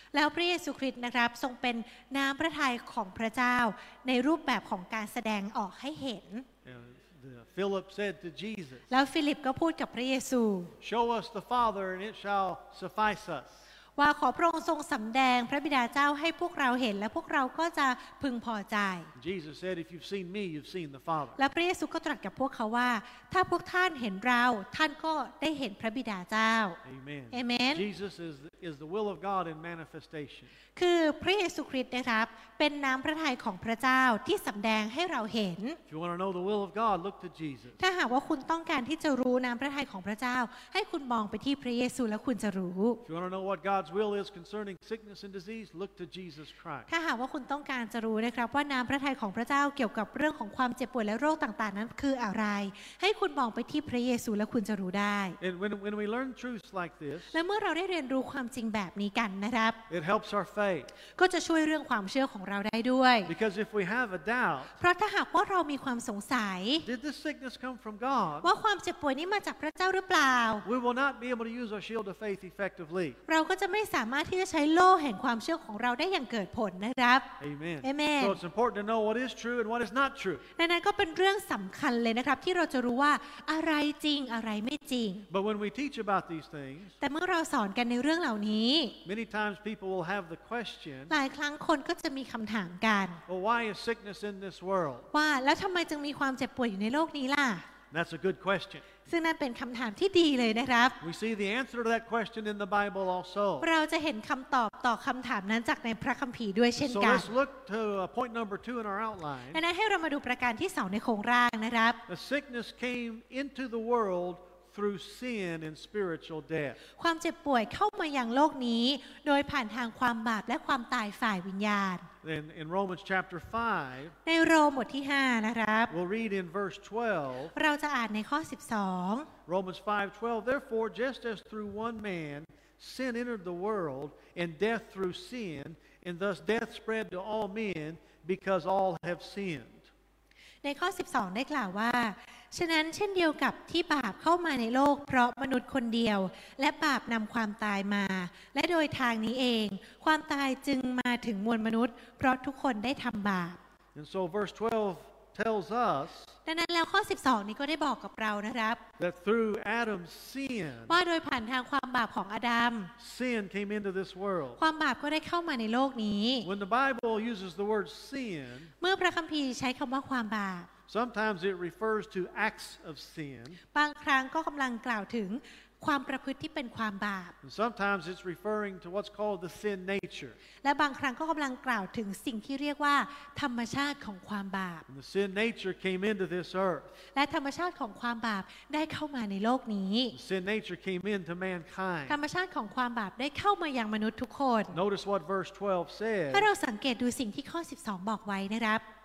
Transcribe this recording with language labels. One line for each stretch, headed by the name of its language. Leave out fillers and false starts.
Thai: แล้วพระเยซูคริสต์นะครับทรงเป็นน้ำพระทัยของพระเจ้าในรูปแบบของการแสดงออกให้เห็น
English: Philip said to Jesus.
Thai: แล้วฟิลิปก็พูดกับพระเยซู
English: Show us the Father, and it shall suffice us.
Thai: ว่าขอพระองค์ทรงสำแดงพระบิดาเจ้าให้พวกเราเห็นและพวกเราก็จะพึงพอใจ
English: Jesus said, "If you've seen me, you've seen the Father."
Thai: และพระเยซูก็ตรัสกับพวกเขาว่าถ้าพวกท่านเห็นเราท่านก็ได้เห็นพระบิดาเจ้า
English: Amen. Amen. Jesus is the will of God in manifestation.
Thai: คือพระเยซูคริสต์นะครับเป็นน้ำพระทัยของพระเจ้าที่สำแดงให้เราเห็น
English: If you want to know the will of God, look to Jesus.
Thai: ถ้าหากว่าคุณต้องการที่จะรู้น้ำพระทัยของพระเจ้าให้คุณมองไปที่พระเยซูแล้วคุณจะรู้
English: If you want to know what God's will is concerning sickness and disease, look to Jesus Christ.
Thai: ถ้าหากว่าคุณต้องการจะรู้นะครับว่าน้ำพระทัยของพระเจ้าเกี่ยวกับเรื่องของความเจ็บป่วยและโรคต่างๆนั้นคืออะไรให้คุณมองไปที่พระเยซูแล้วคุณจะรู้ได้
English: And when we learn truths like this,
Thai: และเมื่อเราได้เรียนรู้ความจริงแบบนี้กันนะครับ
English: It helps our faith.
Thai: ก็จะช่วยเรื่องความเชื่อของเราได้ด้วย
English: Because if we have a doubt,
Thai: เพราะถ้าหากว่าเรามีความสงสัย
English: Did this sickness come from God?
Thai: ว่าความเจ็บป่วยนี้มาจากพระเจ้าหรือเปล่า
English: We will not be able to use our shield of faith effectively.
Thai: เราก็จะไม่สามารถที่จะใช้โล่แห่งความเชื่อของเราได้อย่างเกิดผลนะครับ
English: Amen. Amen. So it's important to know what is true and what is not true.
Thai: นั่นก็เป็นเรื่องสำคัญเลยนะครับที่เราจะรู้ว่าอะไรจริงอะไรไม่จริง
English: But when we teach about these things,
Thai: แต่เมื่อเราสอนกันในเรื่องเหล่านี้
English: Many times people will have the question.
Thai: หลายครั้งคนก็จะมีคำถามกัน
English: Well, why is sickness in this world?
Thai: ว่าแล้วทำไมจึงมีความเจ็บป่วยอยู่ในโลกนี้ล่ะ
English: That's a good question.
Thai: ซึ่งนั่นเป็นคำถามที่ดีเลยนะครับ
English: We see the answer to that question in the Bible also.
Thai: เราจะเห็นคำตอบต่อคำถามนั้นจากในพระคัมภีร์ด้วยเช่นกั น
English: So let's look to point number two in our outline.
Thai: ดังนั้นให้เรามาดูประการที่2ในโครงร่างนะครับ
English: The sickness came into the world through sin and spiritual death.
Thai: ความเจ็บป่วยเข้ามายังโลกนี้โดยผ่านทางความบาปและความตายฝ่ายวิญญาณ
English: In Romans chapter 5,
Thai: ในโรมบทที่5นะครับ
English: we'll read in verse 12,
Thai: เราจะอ่านในข้อ12
English: Romans 5:12, therefore just as through one man sin entered the world and death through sin, and thus death spread to all men because all have sinned.
Thai: ในข้อ12ได้กล่าวว่าฉะนั้นเช่นเดียวกับที่บาปเข้ามาในโลกเพราะมนุษย์คนเดียวและบาปนำความตายมาและโดยทางนี้เองความตายจึงมาถึงมวลมนุษย์เพราะทุกคนได้ทำบาป
English: And so verse 12 tells us
Thai: ดังนั้นแล้วข้อ12นี้ก็ได้บอกกับเรานะครับ
English: that through Adam's sin
Thai: ว่าโดยผ่านทางความบาปของอดัม
English: sin came into this world
Thai: ความบาปก็ได้เข้ามาในโลกนี้
English: when the Bible uses the word sin
Thai: เมื่อพระคัมภีร์ใช้คำว่าความบาป
English: Sometimes it refers to acts of sin.
Thai: บางครั้งก็กำลังกล่าวถึงความประพฤติที่เป็นความบาป
English: Sometimes it's referring to what's called the sin nature.
Thai: และบางครั้งก็กำลังกล่าวถึงสิ่งที่เรียกว่าธรรมชาติของความบาป
English: The sin nature came into this earth.
Thai: และธรรมชาติของความบาปได้เข้ามาในโลกนี้
English: Sin nature came into mankind.
Thai: ธรรมชาติของความบาปได้เข้ามายังมนุษย์ทุกคน
English: Notice what verse 12 says.
Thai: ให้เราสังเกตดูสิ่งที่ข้อ12บอกไว้นะครับ